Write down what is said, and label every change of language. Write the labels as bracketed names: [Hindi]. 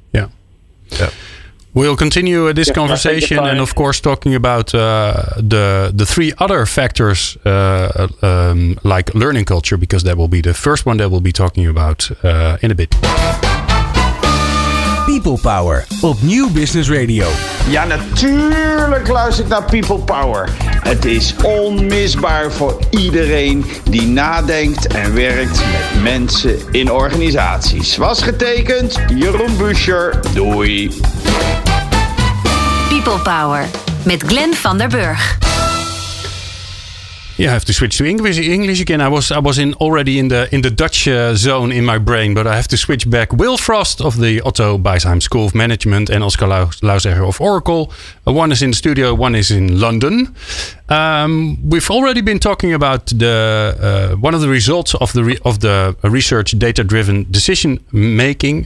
[English] Yeah. Yeah. We'll continue this conversation and, of course, talking about the three other factors like learning culture, because that will be the first one that we'll be talking about in a bit. [Dutch] People Power op Nieuw Business Radio. Ja, natuurlijk luister ik naar People Power. Het is onmisbaar voor iedereen die nadenkt en werkt met mensen in organisaties. Was getekend, Jeroen Buescher. Doei. People Power met Glenn van der Burg. [English] You have to switch to English again. I was already in the Dutch zone in my brain, but I have to switch back. Will Frost of the Otto Beisheim School of Management and Oscar Lauzegger of Oracle. One is in the studio, one is in London. We've already been talking about the one of the results of the research, data-driven decision making.